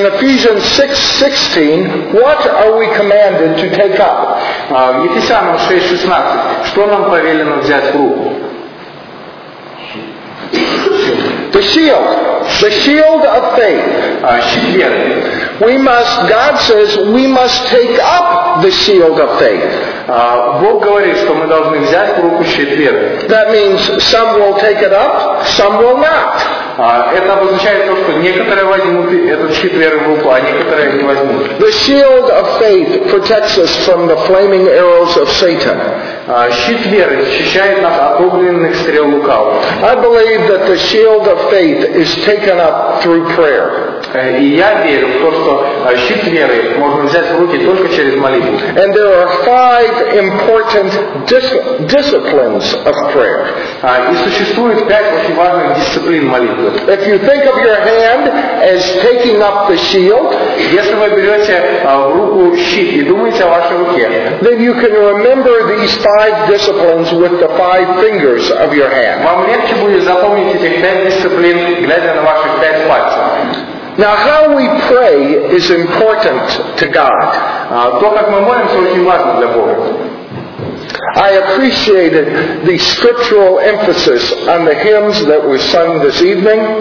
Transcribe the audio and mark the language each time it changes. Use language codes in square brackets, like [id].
[en] In Ephesians 6:16, what are we commanded to take up? [ru] В Ефесянам 6:16, что нам повелено взять в руку? [en] The shield. The shield of faith. [ru] Щит веры. [en] God says we must take up the shield of faith. [ru] Бог говорит, что мы должны взять в руку щит веры. [en] That means some will take it up, some will not. [ru] Это обозначает то, что некоторые возьмут этот щит веры в руку, а некоторые не возьмут. [en] The shield of faith protects us from the flaming arrows of Satan. [ru] Щит веры защищает нас от огненных стрел лукавого. [en] I believe that the shield of faith is taken up through prayer. [ru] И я верю в то, что щит веры можно взять в руки только через молитву. [en] And there are five important disciplines of prayer. [ru] И существует пять очень важных дисциплин молитвы. [en] If you think of your hand as taking up the shield, [ru] если вы берете в руку щит и думаете о вашей руке, [en] then you can remember these five disciplines with the five fingers of your hand. [ru] Вам легче будет запомнить эти пять дисциплин, глядя на ваши пять пальцев. [en] Now, how we pray is important to God. [ru] То, как мы молимся, очень важно для Бога. [en] I appreciated the scriptural emphasis on the hymns that were sung this evening.